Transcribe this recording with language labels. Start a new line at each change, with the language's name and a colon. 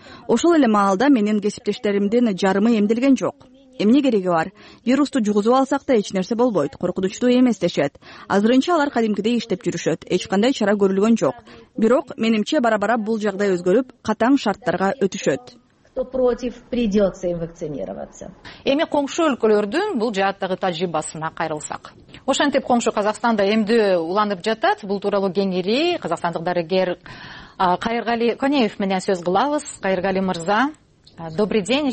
Kyrgyz: Ошол эле маалда менин кесиптештеримдин жарымы эмделген жок. Эмне кереги бар? Вирусту жугузуп алсак да эч нерсе болбойт, коркунучтуу эмес дешет. Азырынча алар кадимкидей иштеп жүрүшөт, эч кандай чара көрүлгөн жок. Бирок менимче бара-бара бул жагдай өзгөрүп, катаң шарттарга өтүшөт.
Russian: Кто против, придется им вакцинироваться.
Kyrgyz: Эми коңшу өлкөлөрдүн бул жааттагы тажрыйбасына кайрылсак. Ошентип коңшу Казакстанда эмдөө уланып жатат. Бул тууралуу кеңири казакстандык дарыгер Кайыргали Конеев менен сөз кылабыз. Кайыргали мырза,
Russian: добрый день.